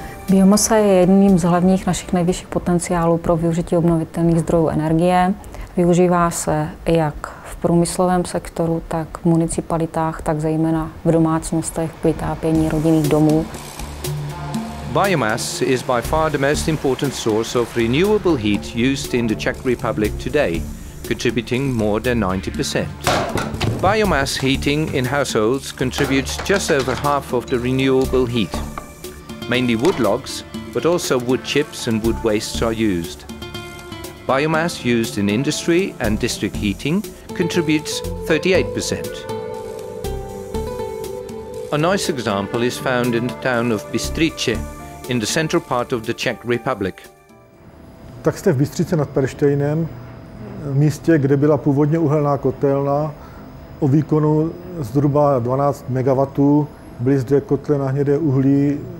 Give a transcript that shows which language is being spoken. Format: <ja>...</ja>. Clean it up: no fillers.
<cs>Biomasa je jedním z hlavních našich nejvyšších potenciálů pro využití obnovitelných zdrojů energie. Využívá se jak v průmyslovém sektoru, tak v municipalitách, tak zejména v domácnostech k vytápění rodinných domů.</cs> <en>Biomass is by far the most important source of renewable heat used in the Czech Republic today, contributing more than 90%. Biomass heating in households contributes just over half of the renewable heat. Mainly wood logs, but also wood chips and wood wastes are used. Biomass used in industry and district heating contributes 38%. A nice example is found in the town of Bystrice, in the central part of the Czech Republic.</en> <cs>Tak jste v Bystřice nad Perštejnem, místě, kde byla původně uhelná kotelna, o výkonu zhruba 12 MW, byly zde kotle na hnědé uhlí,</cs>